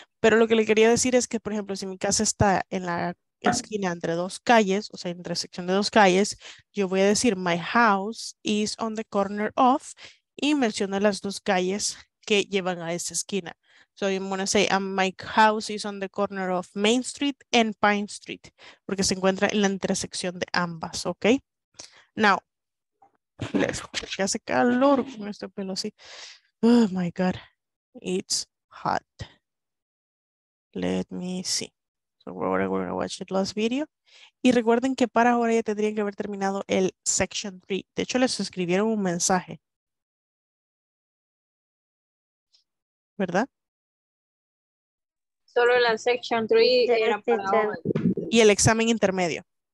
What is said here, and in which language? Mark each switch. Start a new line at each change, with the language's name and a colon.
Spanish: Pero lo que le quería decir es que, por ejemplo, si mi casa está en la esquina entre dos calles, o sea, en la intersección de dos calles, yo voy a decir
English: my house is on the corner of,
Spanish: y menciono las dos calles que llevan a esa esquina.
English: So I'm going to say, my house is on the corner of Main Street and Pine Street.
Spanish: Porque se encuentra en la intersección de ambas, ¿ok?
English: Now, let's go.
Spanish: Ya hace calor con este pelo así.
English: Oh, my God. It's hot. Let me see. So we're going to watch the last video.
Spanish: Y recuerden que para ahora ya tendrían que haber terminado el Section 3. De hecho, les escribieron un mensaje. ¿Verdad? Solo la section 3 era para hoy. Y el examen intermedio.